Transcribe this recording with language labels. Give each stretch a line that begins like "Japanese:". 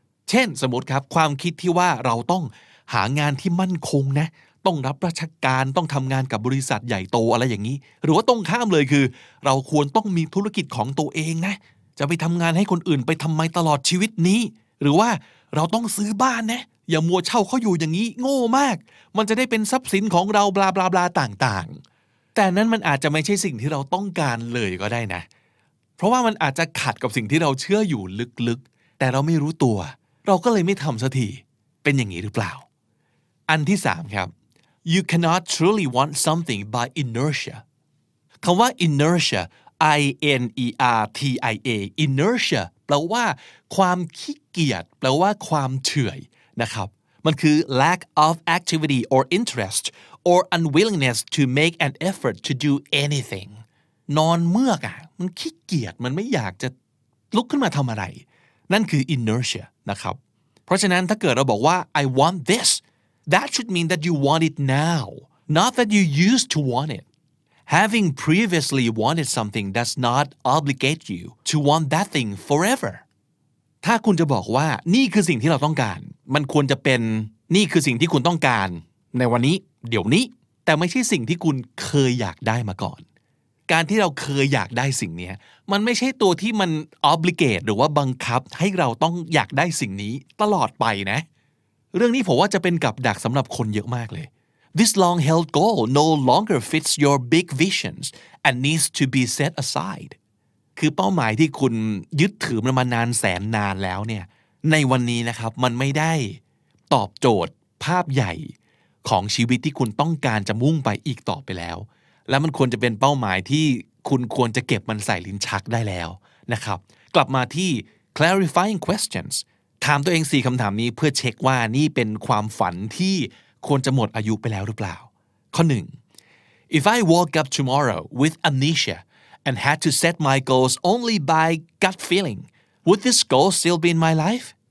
Thai: เช่นสมมติครับความคิดที่ว่าเราต้องหางานที่มั่นคงนะต้องรับราชการต้องทำงานกับบริษัทใหญ่โตอะไรอย่างนี้หรือว่าตรงข้ามเลยคือเราควรต้องมีธุรกิจของตัวเองนะจะไปทำงานให้คนอื่นไปทำไมตลอดชีวิตนี้หรือว่าเราต้องซื้อบ้านนะอย่ามัวเช่าเขาอยู่อย่างนี้โง่มากมันจะได้เป็นทรัพย์สินของเราบลาบลาบลาต่างๆแต่นั้นมันอาจจะไม่ใช่สิ่งที่เราต้องการเลยก็ได้นะ เพราะว่ามันอาจจะขัดกับสิ่งที่เราเชื่ออยู่ลึกๆแต่เราไม่รู้ตัวเราก็เลยไม่ทำสักทีเป็นอย่างนี้หรือเปล่าอันที่3ครับ
English: You cannot truly want something by inertia
Thai: คำว่า inertia I N E R T I A inertia แปลว่าความขี้เกียจแปลว่าความเฉื่อยนะครับมันคือ
English: lack of activity or interestor unwillingness to make an effort to do anything
Thai: นอนเมื่อกอ่ะมันขี้เกียจมันไม่อยากจะลุกขึ้นมาทำอะไรนั่นคือ inertia นะครับเพราะฉะนั้นถ้าเกิดเราบอกว่า
English: I want this that should mean that you want it
Thai: now not that you used to want it
English: having previously wanted something does not obligate you to want that thing forever
Thai: ถ้าคุณจะบอกว่านี่คือสิ่งที่เราต้องการมันควรจะเป็นนี่คือสิ่งที่คุณต้องการในวันนี้เดี๋ยวนี้แต่ไม่ใช่สิ่งที่คุณเคยอยากได้มาก่อนการที่เราเคยอยากได้สิ่งนี้มันไม่ใช่ตัวที่มันออบลิเกตหรือว่าบังคับให้เราต้องอยากได้สิ่งนี้ตลอดไปนะเรื่องนี้ผมว่าจะเป็นกับดักสำหรับคนเยอะมากเลย
English: This long held goal no longer fits your big visions and needs to be set aside
Thai: คือเป้าหมายที่คุณยึดถือมันมานานแสนนานแล้วเนี่ย ในวันนี้นะครับมันไม่ได้ตอบโจทย์ภาพใหญ่ของชีวิตที่คุณต้องการจะมุ่งไปอีกต่อไปแล้ว และมันควรจะเป็นเป้าหมายที่คุณควรจะเก็บมันใส่ลิ้นชักได้แล้วนะครับกลับมาที่ clarifying questions ถามตัวเอง4คำถามนี้เพื่อเช็คว่านี่เป็นความฝันที่ควรจะหมดอายุไปแล้วหรือเปล่าข้อ1
English: If I woke up tomorrow with amnesia and had to set my goals only by gut feeling would this goal still be in my life